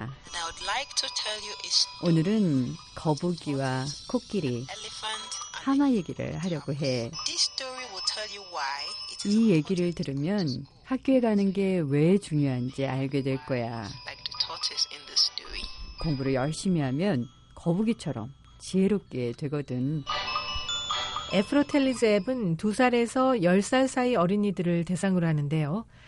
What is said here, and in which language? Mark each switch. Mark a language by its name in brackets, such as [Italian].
[English] And I would like to tell you a story. [Korean] 오늘은 거북이와 코끼리, 하마 얘기를 하려고 해. [English] This story will tell you why it is [Korean] 이 얘기를 들으면 학교에 가는 게 왜 중요한지 알게 될 거야. [English] Like the tortoise in the story. [Korean] 공부를 열심히 하면 거북이처럼 지혜롭게 되거든. 애프로텔리즈 앱은 2살에서 10살 사이 어린이들을 대상으로 하는데요.